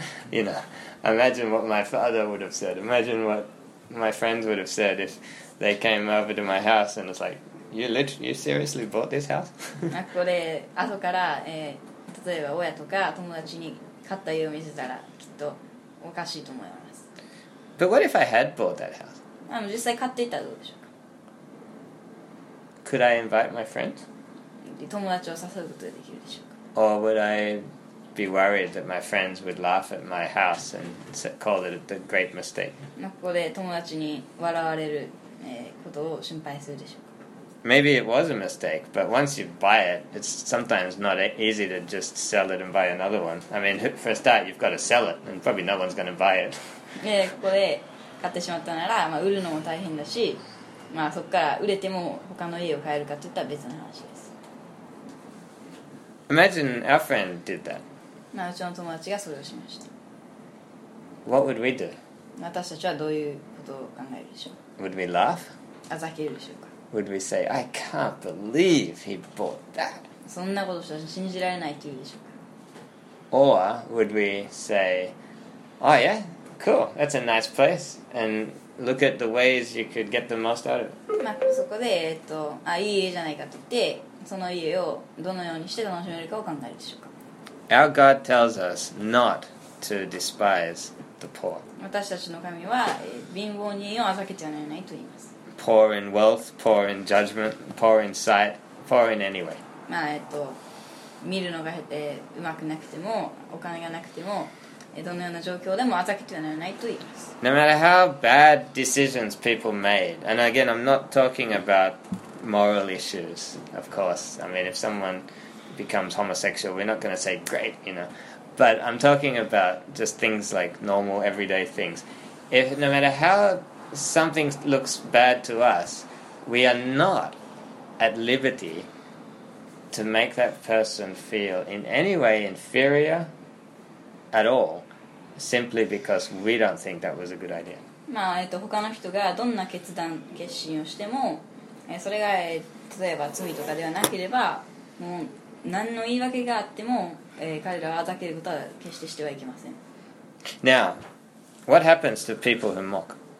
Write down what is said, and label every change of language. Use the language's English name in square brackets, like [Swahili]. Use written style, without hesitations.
[English] You know, imagine what my father would have said. Imagine what my friends would have said if they came over to my house and it's like,You seriously bought this house? [Japanese] ここで後から、例えば親とか友達に買った家を見せたらきっとおかしいと思います。 [English] But what if I had bought that house? [Japanese] 実際買っていたらどうでしょうか? [English] Could I invite my friends? [Japanese] 友達を誘うことができるでしょうか? [English] Or would I be worried that my friends would laugh at my house and call it the great mistake? [Japanese] ここで友達に笑われる、ことを心配するでしょうか? [English] Maybe it was a mistake, but once you buy it, it's sometimes not easy to just sell it and buy another one. I mean, for a start, you've got to sell it, and probably no one's going to buy it. [Japanese] Yeah, ここで買ってしまったなら、まあ売るのも大変だし、まあそこから売れても他の家を買えるかといったら別の話です。 [English] Imagine our friend did that. [Japanese] まあうちの友達がそれをしました。 [English] What would we do? [Japanese] 私たちはどういうことを考えるでしょう? [English] Would we laugh? [Japanese] あざけるでしょうか? [English] Would we say, I can't believe he bought that? [Japanese] そんなことしたら信じられないって言うでしょうか? [English] Or would we say, oh yeah, cool, that's a nice place, and look at the ways you could get the most out of it. [Japanese] まあ、そこで、あ、いい家じゃないかと言って、その家をどのようにして楽しめるかを考えるでしょうか? [English] Our God tells us not to despise the poor. [Japanese] 私たちの神は、貧乏人をあざけてはならないと言います。 [English] Poor in wealth, poor in judgment, poor in sight, poor in any way. [Japanese] まあ見るのが うまくなくても、お金がなくても、どのような状況でもあざけてはならないと言います。 [English] No matter how bad decisions people made, and again, I'm not talking about moral issues, of course. I mean, if someone becomes homosexual, we're not going to say great, you know. But I'm talking about just things like normal, everyday things. If no matter howSomething looks bad to us, we are not at liberty to make that person feel in any way inferior at all simply because we don't think that was a good idea. [Japanese] まあ他の人がどんな決断決心をしても、それが例えば罪とかではなければもう何の言い訳があっても、彼らをあざけることは決してしてはいけません。 [English] Now, what happens to people who mock?